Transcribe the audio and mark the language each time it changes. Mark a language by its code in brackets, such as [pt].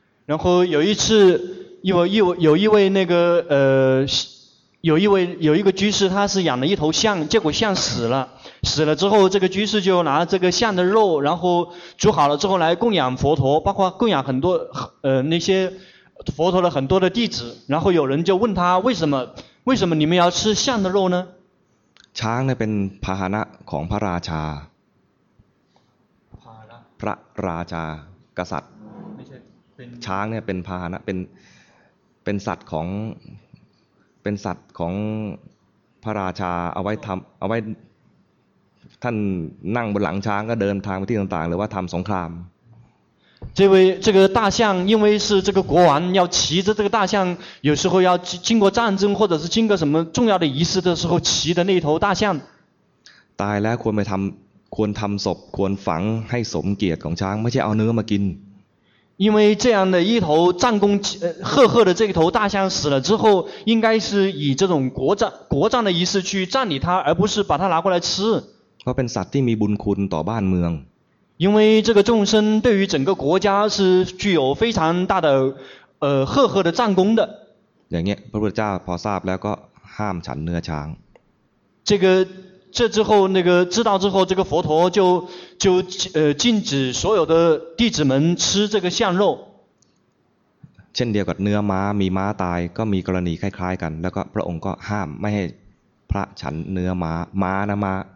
[zh] 然后有一次有一个居士他是养了一头象结果象死了之后这个居士就拿这个象的肉然后煮好了之后来供养佛陀包括供养很多那些佛陀的很多的弟子然后有人就问他为什么你们要吃象的肉呢 [th] ช้างเนี่ยเป็นพาหนะของพระราชาพระราชากษัตริย์ ช้างเนี่ยเป็นพาหนะเป็นสัตว์ของเป็นสัตว์ของพระราชาเอาไว้ทำเอาไว้ท่านนั่งบนหลังช้างก็เดินทางไปที่ต่างๆหรือว่าทำสงคราม [zh] 这位这个大象，因为是这个国王要骑着这个大象，有时候要经过战争或者是经过什么重要的仪式的时候骑的那头大象。 [th] ตายแล้วควรไปทำควรทำศพควรฝังให้สมเกียรติของช้างไม่ใช่เอาเนื้อมากิน。 [zh] 因为这样的一头战功赫赫的这头大象死了之后，应该是以这种国葬的仪式去葬礼它，而不是把它拿过来吃。 [th] เพราะเป็นสัตว์ที่มีบุญคุณต่อบ้านเมือง。 [zh] 因为这个众生对于整个国家是具有非常大的赫赫的战功的。 [th] อย่างเงี้ยพระพุทธเจ้าพอทราบแล้วก็ห้ามฉันเนื้อช้าง。 [zh] 这之后那个知道之后，这个佛陀就禁止所有的弟子们吃这个象肉。 [th] เช่นเดียวกับเนื้อม้ามีม้าตายก็มีกรณีคล้ายๆกันแล้วก็พระองค์ก็ห้ามไม่ให้พระฉันเนื้อม้าม้านะม้า